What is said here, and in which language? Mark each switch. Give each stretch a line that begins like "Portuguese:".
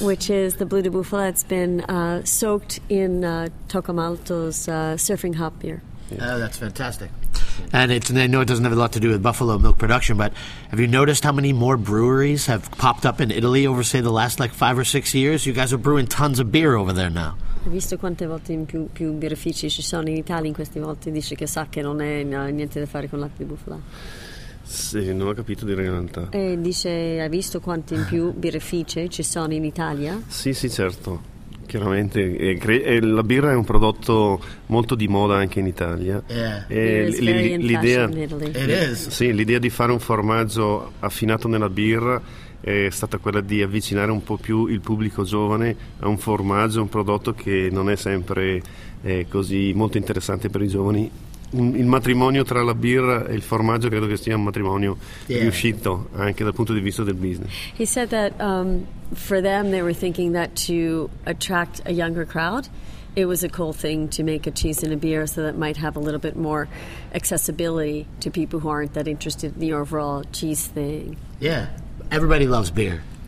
English: Which is the brew de bufala that's been soaked in Tocamalto's surfing hop beer. Yeah. Oh, that's fantastic. And I know it doesn't have a lot to do with buffalo milk production, but have you noticed how many more breweries have popped up in Italy over, say, the last like 5 or 6 years? You guys are brewing tons of beer over there now.
Italian: Hai visto quante volte in più birrifici ci sono in Italia in queste volte? Dice che sa che non è niente da fare con latte di bufala. Sì, non ho capito di realtà. E dice, hai visto quante in più birrifici ci sono in Italia? Sì, sì, certo. Chiaramente, la birra è un prodotto molto di moda anche in Italia. L'idea di fare un formaggio affinato nella birra è stata quella di avvicinare un po' più il pubblico giovane a un formaggio, un prodotto che non è sempre così molto interessante per i giovani. Il matrimonio tra la birra e il formaggio credo che sia un matrimonio riuscito anche dal punto di vista del business.
English: He said that for them they were thinking that to attract a younger crowd it was a cool thing to make a cheese and a beer so that might have a little bit more accessibility to people who aren't that interested in the overall cheese thing. Yeah, everybody loves beer.